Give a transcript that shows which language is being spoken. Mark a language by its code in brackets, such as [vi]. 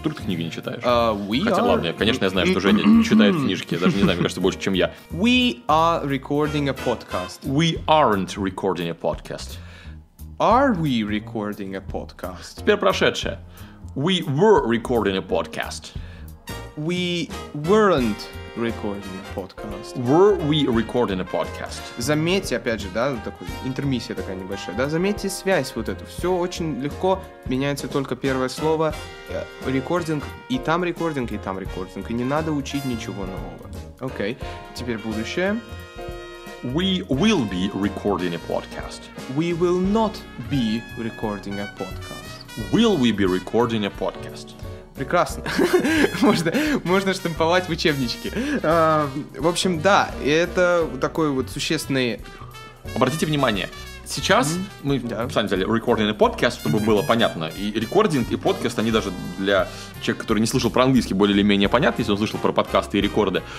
[ru] Вдруг ты книги не читаешь? Ладно, конечно, я знаю, что Женя читает книжки. Даже не знаю, мне кажется, больше, чем я. [en] We are recording a podcast. We aren't recording a podcast. Are we recording a podcast? [ru] Теперь прошедшее. [en] We were recording a podcast. We weren't recording a podcast. Were we recording a podcast? [ru] Заметьте, опять же, да, такой интермиссия такая небольшая, да, заметьте связь вот эту. Все очень легко, меняется только первое слово. Recording, и там recording, и там recording. И не надо учить ничего нового. Окей, теперь будущее. [en] We will be recording a podcast. We will not be recording a podcast. Will we be recording a podcast? [ru] Прекрасно. Можно штамповать в учебнички. В общем, да, это такой вот существенный... Обратите внимание, сейчас мы сами взяли recording и podcast, чтобы было понятно. И recording, и podcast, они даже для человека, который не слышал про английский, более или менее понятны, если он слышал про подкасты и рекорды.